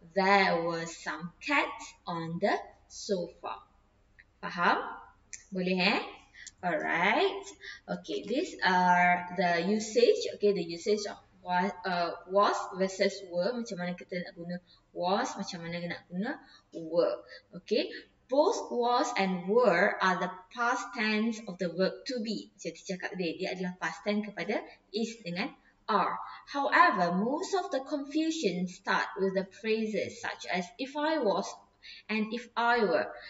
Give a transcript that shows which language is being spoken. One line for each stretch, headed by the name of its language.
English: There were some cats on the sofa.
Malay: Faham? Boleh eh?
English: Alright. Okay, these are the usage. Okay, the usage of was versus were.
Malay: Macam mana kita nak guna was, macam mana kita nak guna were. Okay.
English: Both was and were are the past tense of the verb to be.
Malay: Jadi cakap dia, dia adalah past tense kepada is dengan are.
English: However, most of the confusion start with the phrases such as if I was and if I were.